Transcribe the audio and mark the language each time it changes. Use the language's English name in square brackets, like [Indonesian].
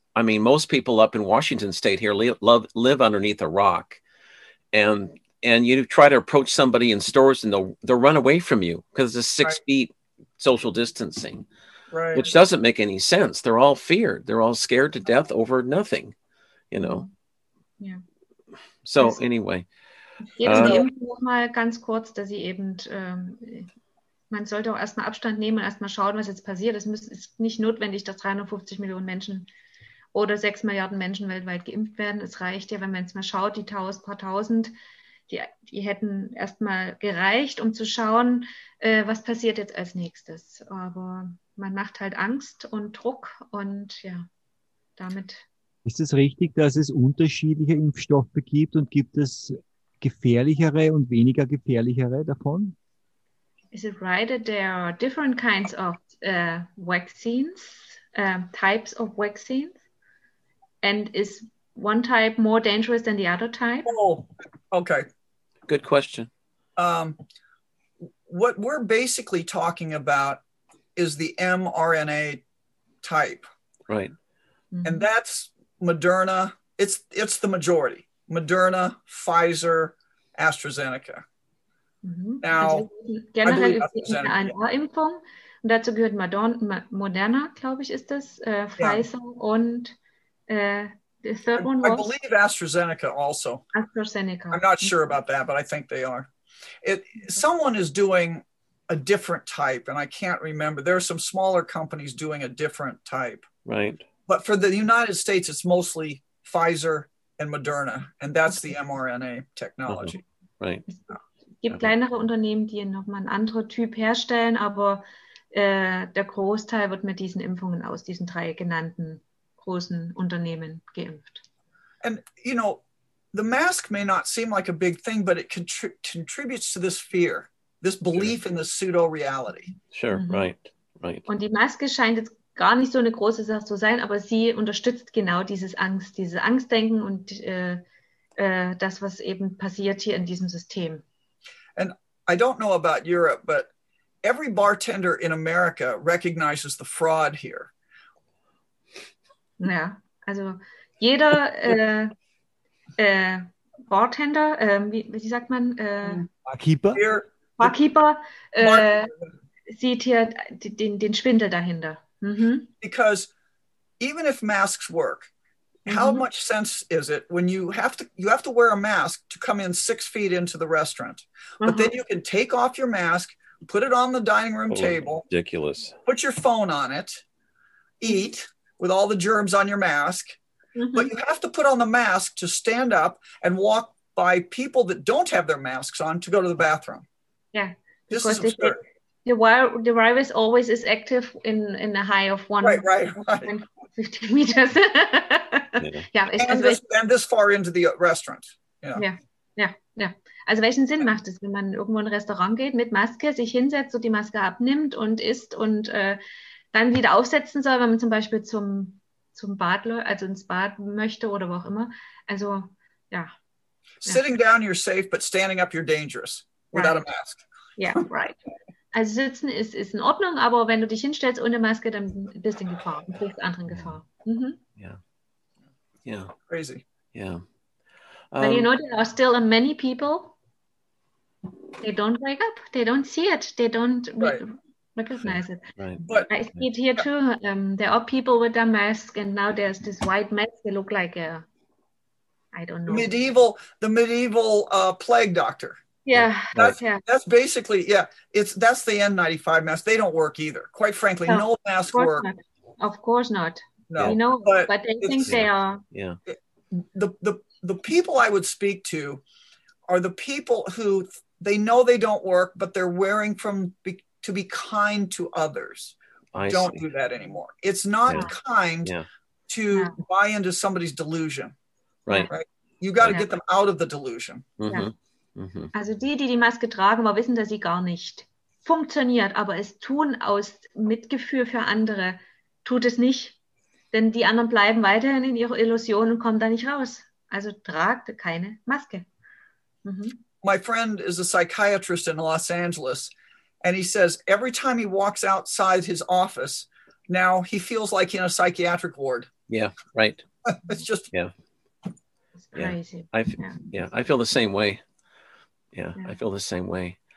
[English] I mean, most people up in Washington state here live underneath a rock, and you try to approach somebody in stores and they'll run away from you because it's a 6 feet social distancing, which doesn't make any sense. They're all feared. They're all scared to death over nothing, So anyway. [German] Mal ganz kurz, dass sie eben, man sollte auch erstmal Abstand nehmen und erstmal schauen, was jetzt passiert. Es ist nicht notwendig, dass 350 Millionen Menschen oder 6 Milliarden Menschen weltweit geimpft werden. Es reicht ja, wenn man jetzt mal schaut, die paar tausend, die hätten erstmal gereicht, um zu schauen, was passiert jetzt als nächstes. Aber man macht halt Angst und Druck und damit. Ist es richtig, dass es unterschiedliche Impfstoffe gibt und gibt es gefährlichere und weniger gefährlichere davon? [English] Is it right that there are different kinds of vaccines, types of vaccines? And is one type more dangerous than the other type? Oh, okay. Good question. What we're basically talking about is the mRNA type. Right. And that's Moderna, it's the majority. Moderna, Pfizer, AstraZeneca. Mm-hmm. Now, [German] generell mRNA-Impfung, und dazu gehört Moderna, glaube ich, ist das, Pfizer und [English] the third one was? I believe AstraZeneca also. AstraZeneca. I'm not sure about that, but I think they are. Someone is doing a different type, and I can't remember. There are some smaller companies doing a different type. Right. But for the United States, it's mostly Pfizer and Moderna, and that's the mRNA technology. Uh-huh. Right. [German] Es gibt kleinere Unternehmen, die nochmal einen anderen Typ herstellen, aber der Großteil wird mit diesen Impfungen aus diesen drei genannten großen Unternehmen geimpft. [English] And, you know, the mask may not seem like a big thing, but it contributes to this fear, this belief in the pseudo-reality. Sure, right, right. [German] Und die Maske scheint jetzt gar nicht so eine große Sache zu sein, aber sie unterstützt genau dieses Angstdenken und das, was eben passiert hier in diesem System. [English] And I don't know about Europe, but every bartender in America recognizes the fraud here. [German] Ja, also jeder Bartender, wie sagt man? Barkeeper sieht hier den Schwindel dahinter. [English] Because even if masks work, how much sense is it when you have to wear a mask to come in 6 feet into the restaurant, but then you can take off your mask, put it on the dining room table, ridiculous. Put your phone on it, eat with all the germs on your mask, but you have to put on the mask to stand up and walk by people that don't have their masks on to go to the bathroom. Yeah, this is absurd. The virus always is active in a high of 150 meters. And this far into the restaurant. Yeah. [German] Also welchen Sinn macht es, wenn man irgendwo in ein Restaurant geht, mit Maske, sich hinsetzt und die Maske abnimmt und isst und dann wieder aufsetzen soll, wenn man zum Beispiel zum Bad, also ins Bad möchte oder wo auch immer. Also, ja. [English] Sitting down, you're safe, but standing up, you're dangerous without a mask. Yeah, right. [German] Also sitzen ist in Ordnung, aber wenn du dich hinstellst ohne Maske, dann bist du in Gefahr, du bist anderen Gefahr. [English] Yeah. Crazy. Yeah. But you know, there are still many people, they don't wake up, they don't see it, they don't recognize it. Right. But I see it here too. There are people with their masks, and now there's this white mask, they look like a, I don't know. The medieval plague doctor. That's basically, that's the N95 mask. They don't work either. Quite frankly, no mask work. Of course not. No, you know, but they think they are. The people I would speak to are the people who they know they don't work, but they're wearing to be kind to others. I don't see that anymore. It's not kind to buy into somebody's delusion. Right. You got to get them out of the delusion. [German] Also die Maske tragen, aber wissen, dass sie gar nicht funktioniert, aber es tun aus Mitgefühl für andere, tut es nicht, denn die anderen bleiben weiterhin in ihrer Illusion und kommen da nicht raus. Also tragt keine Maske. [English] My friend is a psychiatrist in Los Angeles, and he says every time he walks outside his office, now he feels like in a psychiatric ward. Yeah, right. It's just crazy. I feel the same way. I feel the same way.